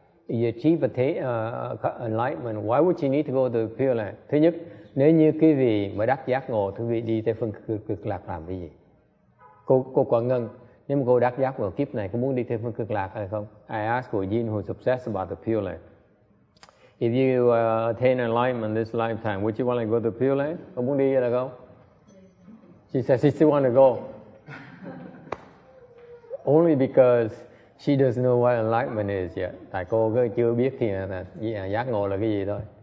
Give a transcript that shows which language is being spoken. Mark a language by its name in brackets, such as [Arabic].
[English] You achieve the enlightenment, why would you need to go to the Pure Land? [Vietnamese] Thứ nhất, nếu như quý vị mới đắc giác ngộ, quý vị đi Tây Phương Cực Lạc làm cái gì? Cô Quảng Ngân, nếu mà cô đắc giác vào kiếp này, có muốn đi Tây Phương Cực Lạc hay không? [English] I ask for Jin, who's obsessed about the Pure Land. If you attain enlightenment this lifetime, would you want to go to the Pure Land? [Vietnamese] Có muốn đi hay là không? [English] She says she still want to go. Only because she doesn't know what enlightenment is yet. [Vietnamese] Tại cô cứ chưa biết thì giác ngộ là cái gì thôi.